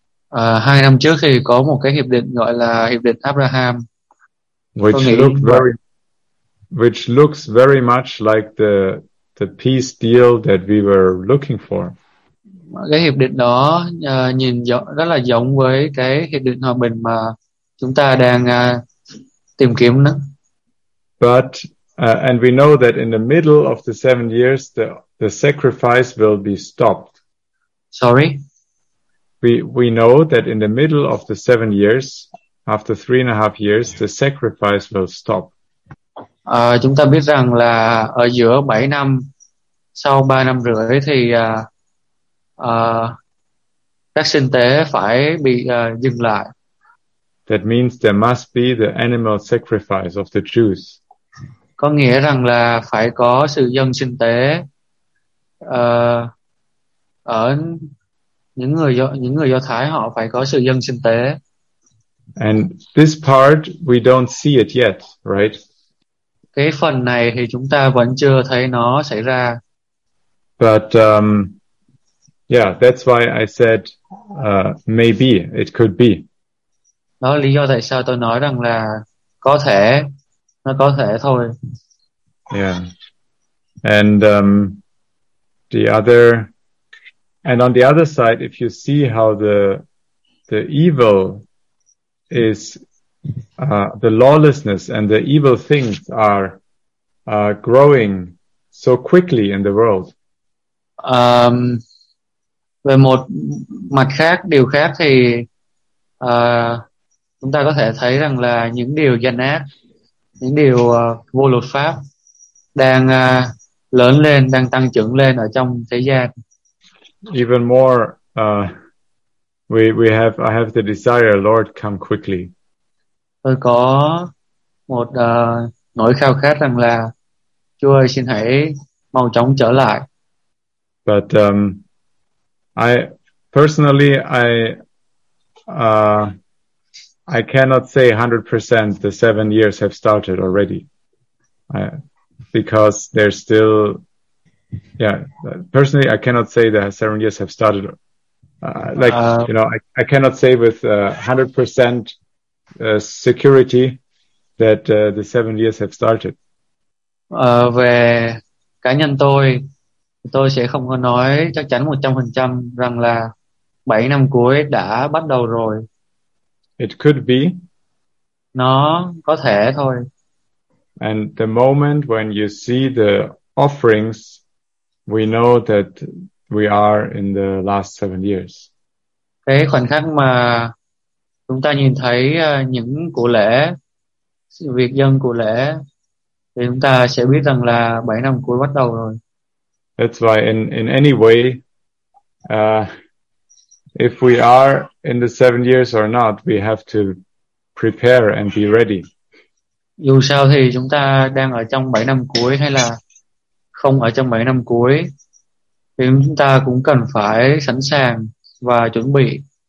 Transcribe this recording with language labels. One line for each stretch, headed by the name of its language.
Vietnamese: 2 năm trước thì có một cái hiệp định gọi là hiệp định Abraham. Tôi
English: Which
Vietnamese: nghĩ như vậy.
English: looks very much like the peace deal that we were looking for.
Vietnamese: Cái hiệp định đó nhìn rất là giống với cái hiệp định hòa bình mà chúng ta đang tìm kiếm đó.
English: And we know that in the middle of the 7 years, the sacrifice will be stopped. Sorry. We know that in the middle of the 7 years, after 3.5 years, the sacrifice will stop.
Vietnamese: Chúng ta biết rằng là ở giữa 7 năm sau 3 năm rưỡi thì các sinh tế phải bị dừng lại.
English: That means there must be the animal sacrifice of the Jews.
Vietnamese: Có nghĩa rằng là phải có sự dâng sinh tế ở những người Do Thái, họ phải có sự dâng sinh tế.
English: And this part we don't see it yet, right?
Vietnamese: Cái phần này thì chúng ta vẫn chưa thấy nó xảy ra.
English: But that's why I said maybe it could be.
Vietnamese: Đó là lý do tại sao tôi nói rằng là có thể, nó có thể thôi.
English: And on the other side, if you see how the evil is the lawlessness and the evil things are growing so quickly in the world.
Vietnamese: Về một mặt khác, điều khác thì chúng ta có thể thấy rằng là những điều gian ác, những điều vô luật pháp đang lớn lên, đang tăng trưởng lên ở trong thế gian.
English: Even more I have the desire, Lord, come quickly.
Vietnamese: Tôi có một nỗi khao khát rằng là Chúa ơi, xin hãy mau chóng trở lại.
English: But I cannot say 100% the 7 years have started already, because there's still. Yeah, personally, I cannot say that 7 years have started. I cannot say with 100% security that the 7 years have started.
Vietnamese: Về cá nhân tôi sẽ không có nói chắc chắn 100% rằng là 7 năm cuối đã bắt đầu rồi.
English: It could be.
Vietnamese: Nó có thể thôi.
English: And the moment when you see the offerings, we know that we are in the last 7 years.
Vietnamese: Cái khoảnh khắc mà chúng ta nhìn thấy những của lễ, việc dân của lễ, thì chúng ta sẽ biết rằng là 7 năm cuối bắt đầu rồi.
English: That's why in any way, if we are in the 7 years or not, we have to prepare and be ready.
Vietnamese: Dù sao thì chúng ta đang ở trong 7 năm cuối hay là không ở trong 7 năm cuối, thì chúng ta cũng cần phải sẵn sàng và chuẩn bị.